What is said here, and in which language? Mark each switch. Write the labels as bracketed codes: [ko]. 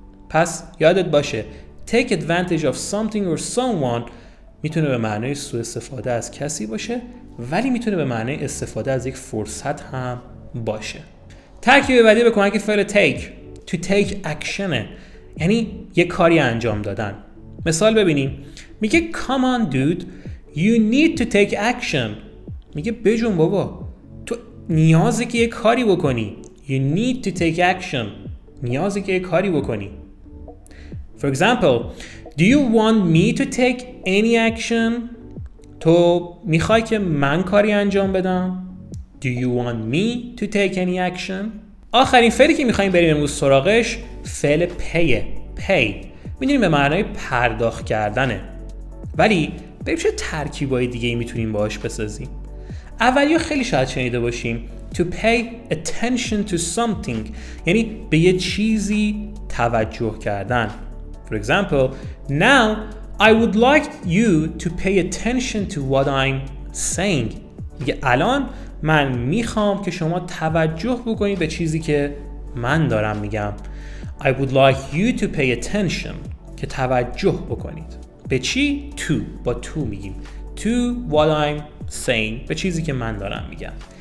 [fa] پس یادت باشه [en] take advantage of something or someone [fa] میتونه به معنی سوء استفاده از کسی باشه ولی میتونه به معنی استفاده از یک فرصت هم باشه. ترکیب بعدی به کمک فعل take [en] to take action [fa] یعنی یک کاری انجام دادن. مثال ببینیم. میگه [en] come on dude you need to take action. [fa] میگه بجون بابا تو نیازه که یک کاری بکنی. [en] You need to take action. [fa] نیازه که یک کاری بکنی. [en] For example, do you want me to take any action? [fa] تو میخوای که من کاری انجام بدم؟ [en] Do you want me to take any action? [fa] آخرین فعلی که میخواییم بریم امروز سراغش فعل پیه. پی میدونیم به معنای پرداخت کردنه. ولی بریم چه ترکیبای دیگه میتونیم باهاش بسازیم. اولی خیلی شاید شنیده باشیم [en] to pay attention to something [fa] یعنی به یه چیزی توجه کردن. [en] For example, now I would like you to pay attention to what I'm saying. [fa] میگه الان من میخوام که شما توجه بکنید به چیزی که من دارم میگم. [en] I would like you to pay attention [fa] که توجه بکنید. به چی؟ [en] To. [fa] با to میگیم. [en] To what I'm saying. [fa] به چیزی که من دارم میگم.